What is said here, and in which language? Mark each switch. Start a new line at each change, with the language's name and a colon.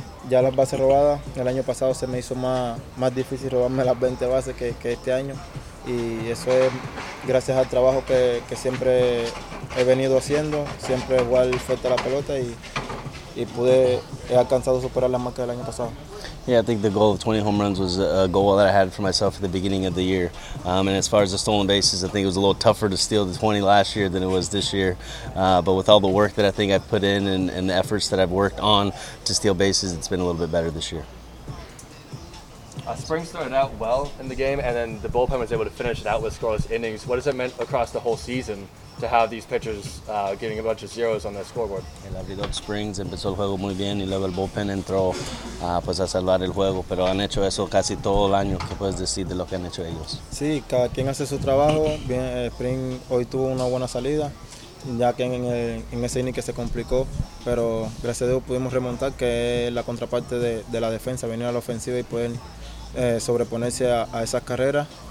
Spanish: Ya las bases robadas, el año pasado se me hizo más difícil robarme las 20 bases que este año. Y eso es gracias al trabajo que siempre he venido haciendo, siempre igual suelta la pelota y pude, he alcanzado superar la marca del año pasado.
English: Yeah, I think the goal of 20 home runs was a goal that I had for myself at the beginning of the year. And as far as the stolen bases, I think it was a little tougher to steal the 20 last year than it was this year. But with all the work that I think I've put in and the efforts that I've worked on to steal bases, it's been a little bit better this year. Spring started out well in the game, and then the bullpen was able to finish it out with scoreless innings. What has it meant across the whole season to have these pitchers getting a bunch of zeros on the scoreboard?
Spanish: El abridor Springs empezó el juego muy bien, y luego el bullpen entró pues a salvar el juego. Pero han hecho eso casi todo el año. ¿Qué puedes decir de lo que han hecho ellos? Sí, cada quien hace su trabajo. Bien, Spring hoy tuvo una buena salida, ya que en ese inning que se complicó, pero gracias a Dios pudimos remontar, que es la contraparte de la defensa, venir a la ofensiva y poder sobreponerse a esas carreras.